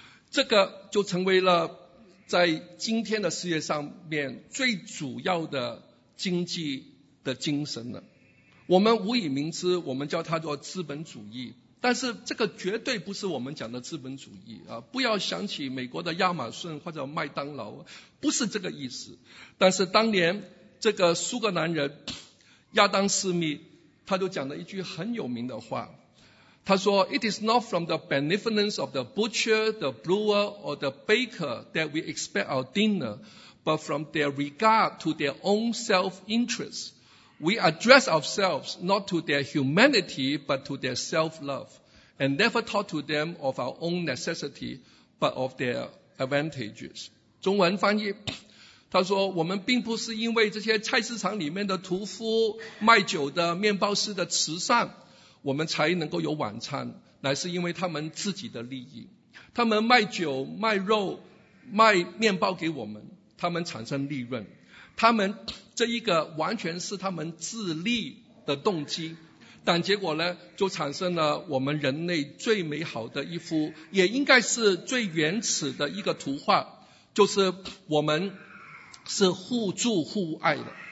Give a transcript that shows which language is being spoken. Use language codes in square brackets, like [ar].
[zh] 这个就成为了在今天的世界上面最主要的经济的精神了。我们无以明之，我们叫它做资本主义。但是这个绝对不是我们讲的资本主义啊！不要想起美国的亚马逊或者麦当劳，不是这个意思。但是当年这个苏格兰人亚当斯密，他就讲了一句很有名的话，他说 [en] It is not from the benevolence of the butcher, the brewer or the baker that we expect our dinner, but from their regard to their own self-interest. We address ourselves not to their humanity, but to their self-love, and never talk to them of our own necessity, but of their advantages. [zh] 中文翻译，他说我们并不是因为这些菜市场里面的屠夫卖酒的面包师的慈善我们才能够有晚餐，乃是因为他们自己的利益。他们卖酒卖肉卖面包给我们，他们产生利润，他们这一个完全是他们自利的动机，但结果呢，就产生了我们人类最美好的一幅，也应该是最原始的一个图画，就是我们是互助互爱的。